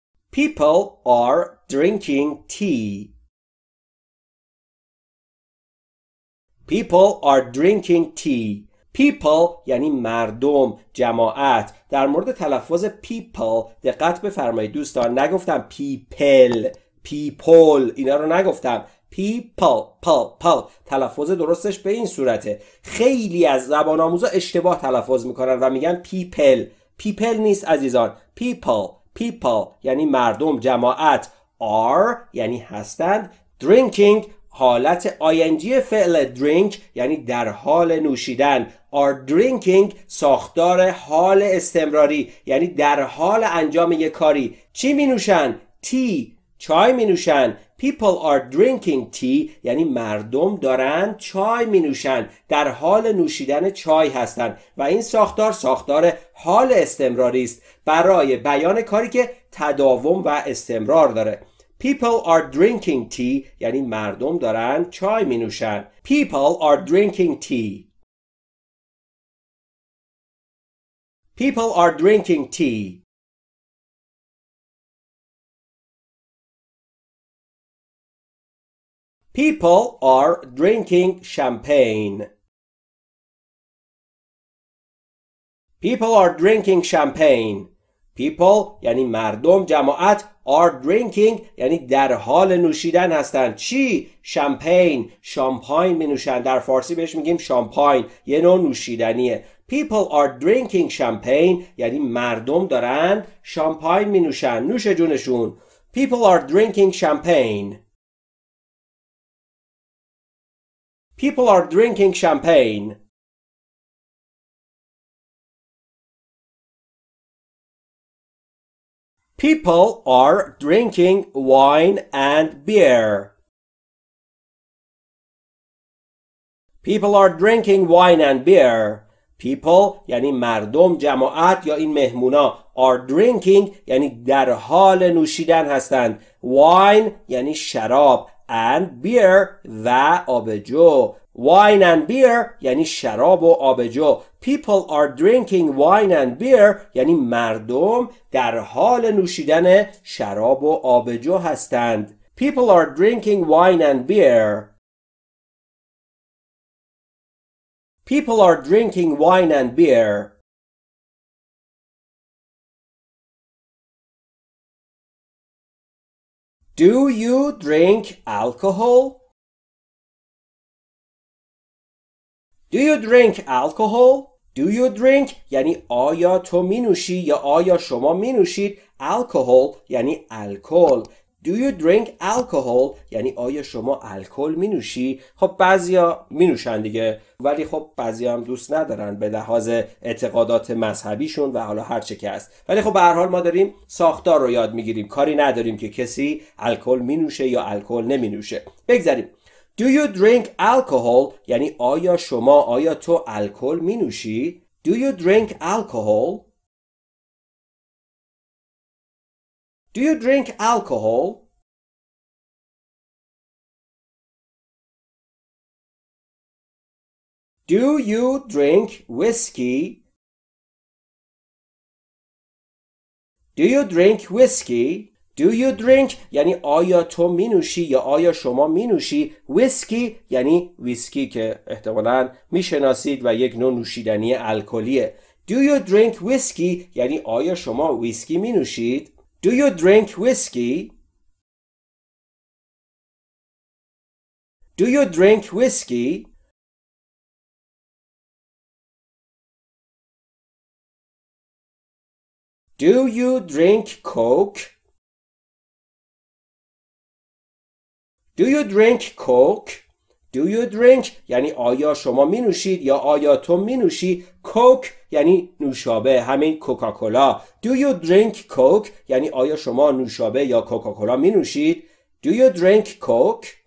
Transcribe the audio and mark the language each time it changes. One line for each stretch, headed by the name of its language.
English: People are drinking tea. People are drinking tea.
Persian: People یعنی مردم، جماعت. در مورد تلفظ people دقت بفرمایید دوستان، نگفتم people، اینا رو نگفتم. people. تلفظ درستش به این صورته. خیلی از زبان آموزا اشتباه تلفظ میکنن و میگن people نیست عزیزان. people یعنی مردم، جماعت. are یعنی هستند. drinking حالت ing فعل drink یعنی در حال نوشیدن.
English: are drinking
Persian: ساختار حال استمراری یعنی در حال انجام یک کاری. چی می نوشن؟ tea، چای می نوشن.
English: people are drinking tea
Persian: یعنی مردم دارن چای می نوشن، در حال نوشیدن چای هستن و این ساختار، ساختار حال استمراری است برای بیان کاری که تداوم و استمرار داره.
English: People are drinking tea
Persian: یعنی مردم دارن چای می نوشن.
English: People are drinking tea. People are drinking tea. People are drinking champagne. People are drinking champagne.
Persian: People یعنی مردم، جماعت.
English: are drinking
Persian: یعنی در حال نوشیدن هستند. چی؟ شامپین، شامپاین می نوشن. در فارسی بهش میگیم شامپاین، یه نوع نوشیدنیه.
English: People are drinking champagne
Persian: یعنی مردم دارند شامپاین می نوشن، نوش جونشون.
English: People are drinking champagne. People are drinking champagne. People are drinking wine and beer. People are drinking wine and beer.
Persian: People یعنی مردم، جماعت یا این مهمونا.
English: are drinking
Persian: یعنی در حال نوشیدن هستند. wine یعنی شراب.
English: and beer
Persian: و آبجو.
English: wine and beer
Persian: یعنی شراب و آبجو.
English: people are drinking wine and beer
Persian: یعنی مردم در حال نوشیدن شراب و آبجو هستند.
English: people are drinking wine and beer. people are drinking wine and beer. Do you drink alcohol? Do you drink alcohol? Do you drink
Persian: یعنی آیا تو می نوشی یا آیا شما می نوشید؟ alcohol یعنی الکل.
English: Do you drink alcohol
Persian: یعنی آیا شما الکل می نوشی؟ خب بعضیا می نوشن دیگه، ولی خب بعضیا هم دوست ندارن به لحاظ اعتقادات مذهبیشون و حالا هر چه که هست. ولی خب به هر حال ما داریم ساختار رو یاد می گیریم، کاری نداریم که کسی الکل می نوشه یا الکل نمی نوشه. بگذاریم.
English: Do you drink alcohol
Persian: یعنی آیا شما، آیا تو الکل می نوشی؟
English: Do you drink alcohol؟ Do you drink alcohol? Do you drink whiskey? Do you drink whiskey? Do you drink
Persian: یعنی آیا تو می نوشی یا آیا شما می نوشی؟ ویسکی یعنی ویسکی که احتمالاً می شناسید و یک نوع نوشیدنی الکلیه.
English: Do you drink whiskey
Persian: یعنی آیا شما ویسکی می نوشید؟
English: Do you drink whiskey? Do you drink whiskey? Do you drink coke? Do you drink coke? Do you drink
Persian: یعنی آیا شما می نوشید یا آیا تو می نوشی؟ Coke یعنی نوشابه، همین کوکاکولا.
English: Do you drink coke
Persian: یعنی آیا شما نوشابه یا کوکاکولا می نوشید؟ Do you drink coke?